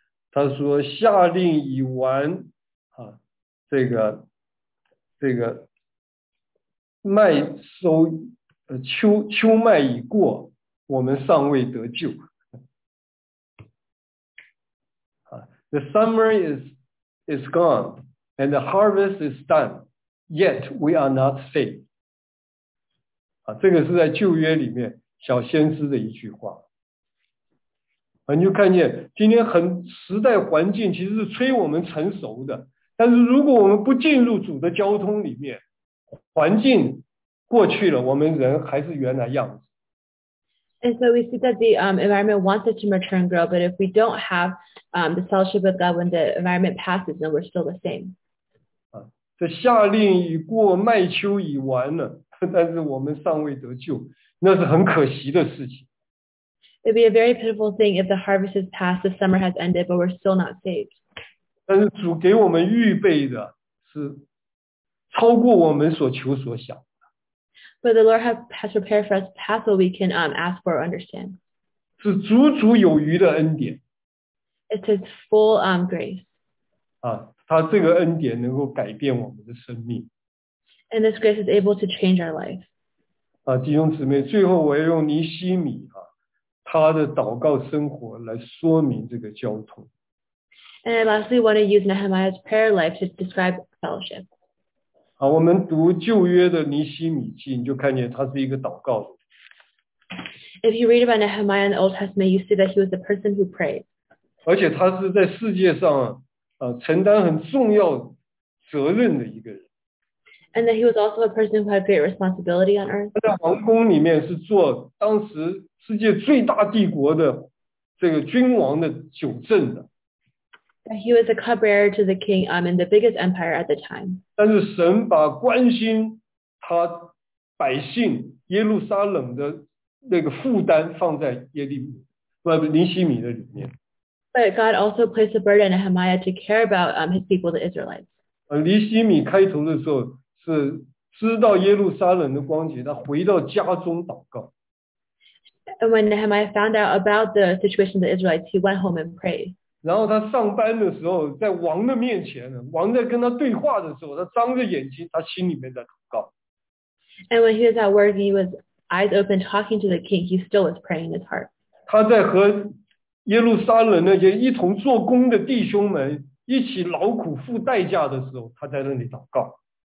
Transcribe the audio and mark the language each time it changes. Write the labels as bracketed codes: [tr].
[zh] 他说下令已完这个麦收秋麦已过。我们尚未得救。 [en] The summer is gone, and the harvest is done, yet we are not saved. [zh] 这个是在旧约里面小先知的一句话。你就看见今天很时代环境其实是催我们成熟的，但是如果我们不进入主的交通里面，环境过去了，我们人还是原来样子。 [en] And so we see that the environment wants us to mature and grow, but if we don't have the fellowship of God when the environment passes, then we're still the same. [zh] 这夏令已过，麦秋已完了，但是我们尚未得救，那是很可惜的事情。 [en] It'd be a very pitiful thing if the harvest is past, the summer has ended, but we're still not saved. [zh] 但是主给我们预备的是超过我们所求所想。 [en] But the Lord has prepared for us past what we can ask for or understand. [zh] 是足足有余的恩典。 [en] It's His full grace. [zh] 他这个恩典能够改变我们的生命。 [en] And this grace is able to change our life. [zh] 弟兄姊妹，最后我要用尼希米他的祷告生活来说明这个交通。 [en] And I lastly want to use Nehemiah's prayer life to describe fellowship. [zh] 好，我们读旧约的尼希米记，你就看见他是一个祷告的。 [en] If you read about Nehemiah in the Old Testament, you see that he was the person who prayed. [zh] 而且他是在世界上承担很重要责任的一个人。 [en] And that he was also a person who had great responsibility on earth. [zh] 他在王宫里面是做当时世界最大帝国的这个君王的酒政的。 [en] And he was a cupbearer to the king in the biggest empire at the time. [zh] 但是神把关心他百姓耶路撒冷的那个负担放在尼希米的里面。 [en] But God also placed a burden on Nehemiah to care about his people, the Israelites. [zh] 尼希米开头的时候是知道耶路撒冷的光景，他回到家中祷告。 [en] And when Nehemiah found out about the situation of the Israelites, he went home and prayed. [zh] 然后他上班的时候，在王的面前，王在跟他对话的时候，他张着眼睛，他心里面在祷告。 [en] And when he was at work, he was eyes open talking to the king, he still was praying in his heart. [zh] 他在和耶路撒冷那些一同做工的弟兄们一起劳苦付代价的时候，他在那里祷告。